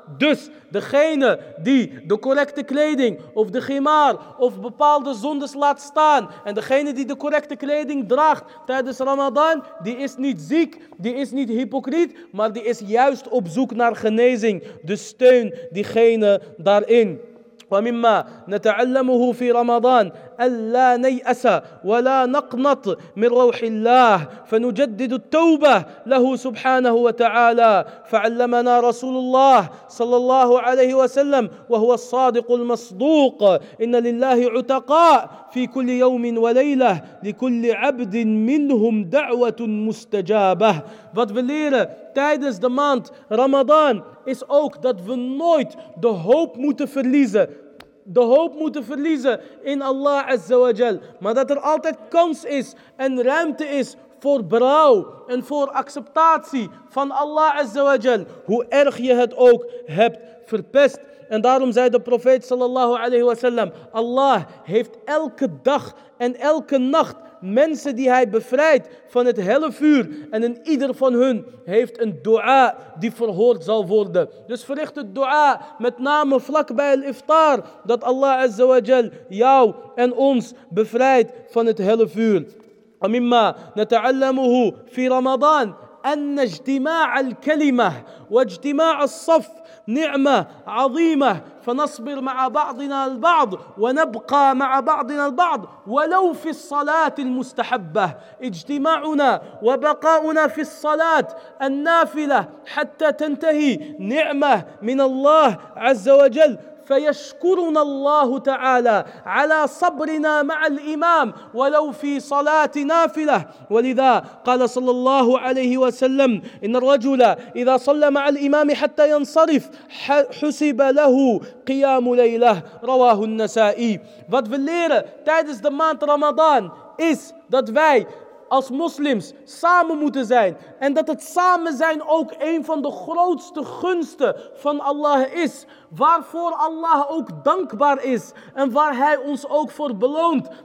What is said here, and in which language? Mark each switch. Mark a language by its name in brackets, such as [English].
[Dutch] Dus degene die de correcte kleding of de gimaar of bepaalde zondes laat staan, en degene die de correcte kleding draagt tijdens Ramadan, die is niet ziek, die is niet hypocriet, maar die is juist op zoek naar genezing. Dus steun diegene daarin. [Arabic] ومما نتعلمه في رمضان ألا نيأس ولا نقنط من روح الله فنجدد التوبة له سبحانه وتعالى فعلمنا رسول الله صلى الله عليه وسلم وهو الصادق المصدوق إن لله عتقاء في كل يوم وليلة لكل عبد منهم دعوة مستجابة. [Dutch] Wat we leren tijdens de maand Ramadan is ook dat we nooit de hoop moeten verliezen. De hoop moeten verliezen in Allah Azza wa Jal. Maar dat er altijd kans is en ruimte is voor berouw en voor acceptatie van Allah Azza wa Jal. Hoe erg je het ook hebt verpest. En daarom zei de profeet sallallahu alayhi wa sallam: Allah heeft elke dag en elke nacht mensen die hij bevrijdt van het helle vuur. En in ieder van hun heeft een dua die verhoord zal worden. Dus verricht het dua, met name vlak bij het iftar, dat Allah Azza wa Jal jou en ons bevrijdt van het helle vuur. [Arabic] Amimma nata'allamuhu fi ramadan. أن اجتماع الكلمة واجتماع الصف نعمة عظيمة فنصبر مع بعضنا البعض ونبقى مع بعضنا البعض ولو في الصلاة المستحبة. اجتماعنا وبقاؤنا في الصلاة النافلة حتى تنتهي نعمة من الله عز وجل فيشكرنا الله تعالى على صبرنا مع الإمام ولو في صلاة نافلة. ولذا قال صلى الله عليه وسلم: إن الرجل إذا صلى مع الإمام حتى ينصرف حسب له قيام ليلة. رواه النسائي. [Dutch] Wat we leren tijdens de maand Ramadan is dat wij als moslims samen moeten zijn. En dat het samen zijn ook een van de grootste gunsten van Allah is. Waarvoor Allah ook dankbaar is. En waar Hij ons ook voor beloont.